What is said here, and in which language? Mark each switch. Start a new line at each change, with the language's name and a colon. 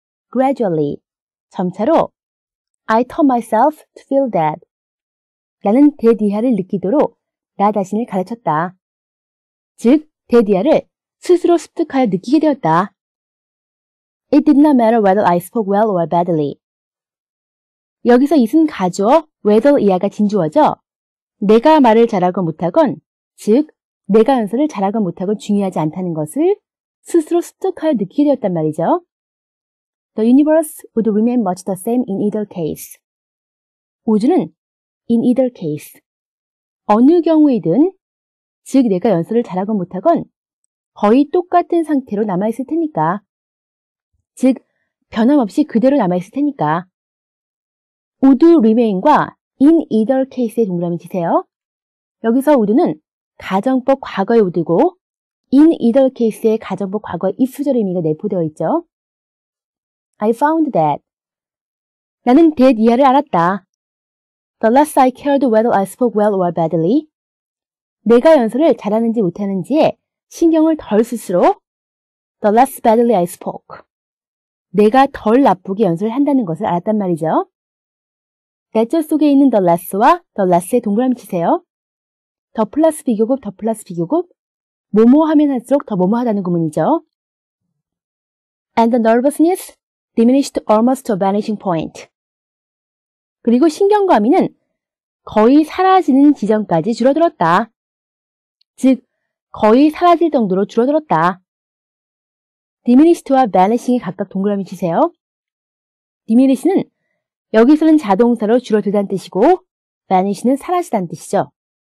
English: gradually,
Korean: 점차로
English: I taught myself to feel that.
Korean: 나는 that 이하를 느끼도록 나 자신을 가르쳤다. 즉, that 이하를 스스로 습득하여 느끼게 되었다.
English: It did not matter whether I spoke well or badly.
Korean: 여기서 it은 가주어 whether 이하가 진주어죠. 내가 말을 잘하건 못하건, 즉, 내가 연설을 잘하건 못하건 중요하지 않다는 것을 스스로 습득하여 느끼게 되었단 말이죠.
English: The universe would remain much the same in either case.
Korean: 우주는
English: in either case.
Korean: 어느 경우이든, 즉 내가 연설을 잘하건 못하건 거의 똑같은 상태로 남아있을 테니까. 즉, 변함없이 그대로 남아있을 테니까. would remain과 in either case의 동그라미 치세요. 여기서 우주는 가정법 과거의 would고 in either case의 가정법 과거의 if절 의미가 내포되어 있죠.
English: I found that.
Korean: 나는 that 이하를 알았다.
English: The less I cared whether I spoke well or badly.
Korean: 내가 연설을 잘하는지 못하는지에 신경을 덜 쓸수록
English: the less badly I spoke.
Korean: 내가 덜 나쁘게 연설을 한다는 것을 알았단 말이죠. letter 속에 있는 the less와 the less의 동그라미 치세요. the 플러스 비교급, the 플러스 비교급, 뭐뭐 하면 할수록 더 뭐뭐 하다는 구문이죠.
English: and the nervousness diminished almost to a vanishing point.
Korean: 그리고 신경과민은 거의 사라지는 지점까지 줄어들었다. 즉, 거의 사라질 정도로 줄어들었다. diminished와 vanishing이 각각 동그라미 치세요. diminish는 여기서는 자동사로 줄어들다는 뜻이고 vanish는 사라지다는 뜻이죠.